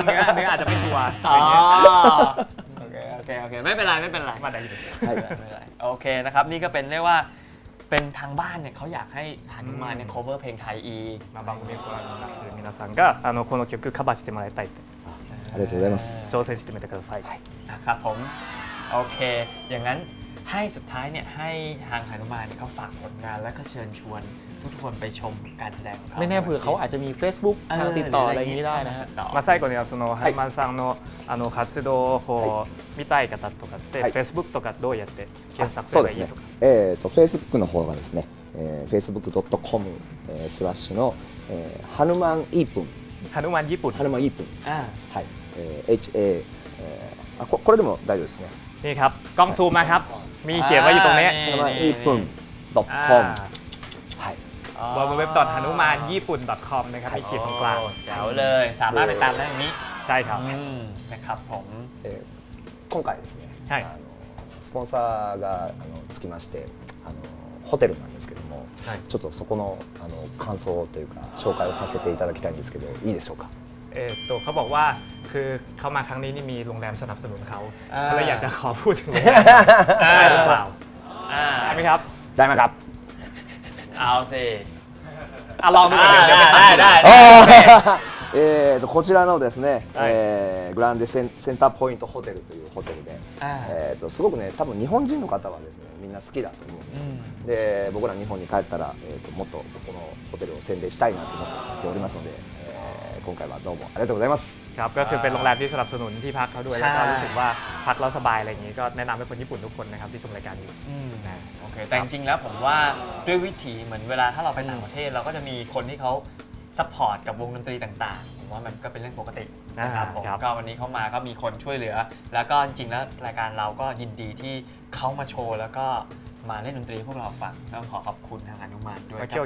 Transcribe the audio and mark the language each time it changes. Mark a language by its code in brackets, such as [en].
[th] เนื้ออาจจะไม่ชัวร์อ๋อ โอเคไม่เป็นไร มาได้อยู่ ไม่เป็นไรโอเคนะครับนี่ก็เป็นเรียกว่าเป็นทางบ้านเนี่ยเขาอยากให้หันมาเนี่ย cover เพลงไทยอี มาบาง ค นก็รักคือมินาซังก็ [ja] この曲カバーしてもらいたいってありがとうございます挑戦してみてください [th] นะครับผมโอเคอย่างนั้นให้สุดท้ายเนี่ยให้ทางหนุมานเขาฝากผลงานและก็เชิญชวนทุกคนไปชมการแสดงของเขา ไม่แน่เผื่อเขาอาจจะมี Facebook ทางติดต่ออะไรอย่างนี้ได้นะฮะ มาใส่ก่อนเนี่ย [ja] そのハルマンさんのあの活動を見たい方とかって Facebook とかどうやって検索すればいいとか Facebook の方がですね facebook.com スラッシュのハルマンイープンハルマンイープンハルマンイープンはい HA これでも大丈夫ですね [th] นี่ครับกล้องซูมมาครับมีเขียนไว้อยู่ตรงนี้ [en] hanumanjapun.com [th] ครับ www.hanumanjapun.com นะครับมีเขียนตรงกลาง เจ๋วเลยสามารถไปตามได้ตรงนี้ ใช่ครับ นะครับผม [ja] 今回ですねสปอนเซอร์がつきましてホテルなんですけどもちょっとそこの感想というか紹介をさせていただきたいんですけどいいでしょうか [th] เขาบอกว่าคือเขามาครั้งนี้นี่มีโรงแรมสนับสนุนเขาเลยอยากจะขอพูดถึงได้หรือเปล่าได้ไหมครับ ได้ไหมครับ เอาสิ ลองดู ได้ได้ได้ [ja] こちらのですね、グランデセンターポイントホテルというホテルで、すごくね、多分日本人の方はですね、みんな好きだと思うんです。で、僕ら日本に帰ったら、もっとこのホテルを宣伝したいなと思っておりますので、今回はどうもありがとうございます。 [th] ครับก็คือเป็นโรงแรมที่สนับสนุนที่พักเขาด้วยแล้วก็รู้สึกว่าพักแล้วสบายอะไรอย่างนี้ก็แนะนำให้คนญี่ปุ่นทุกคนนะครับที่ชมรายการอยู่นะ โอเคแต่จริงๆแล้วผมว่าด้วยวิถีเหมือนเวลาถ้าเราไปต่างประเทศเราก็จะมีคนที่เขาซัพพอร์ตกับวงดนตรีต่างๆผมว่ามันก็เป็นเรื่องปกตินะครับผมก็วันนี้เขามาก็มีคนช่วยเหลือแล้วก็จริงๆแล้วรายการเราก็ยินดีที่เขามาโชว์แล้วก็มาเล่นดนตรีพวกเราฟังต้องขอขอบคุณทางอนุมานด้วย